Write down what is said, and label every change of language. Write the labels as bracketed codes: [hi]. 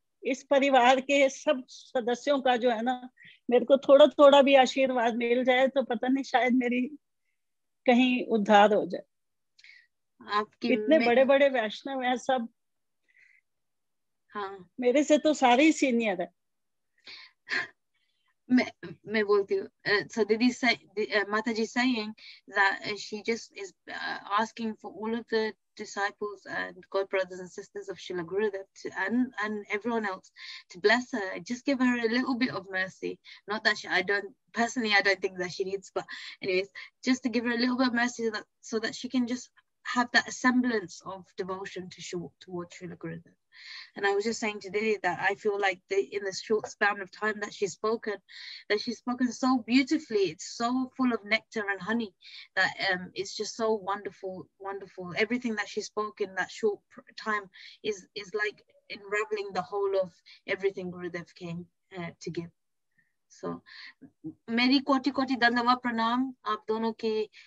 [hi] इस परिवार के सब सदस्यों का जो है ना, मेरे को थोड़ा थोड़ा भी आशीर्वाद मिल जाए तो पता नहीं शायद मेरी कहीं उद्धार हो जाए। आपकी इतने बड़े बड़े वैष्णव है सब, हाँ मेरे से तो सारे ही सीनियर है। मैं बोलती हूँ, [en] So Didi Mata ji saying that she just is asking for all of the disciples and god brothers and sisters of Srila Gurudev and everyone else to bless her, just give her a little bit of mercy. Not that I don't think that she needs, but anyways, just to give her a little bit of mercy so that she can just have that semblance of devotion to towards Srila Gurudev. And I was just saying to Didi that I feel like in this short span of time that she's spoken so beautifully, it's so full of nectar and honey that it's just so wonderful, wonderful. Everything that she spoke in that short time is like unraveling the whole of everything Gurudev came to give. [hi] So, मेरी कोटि कोटि धन्यवाद प्रणाम आप दोनों के।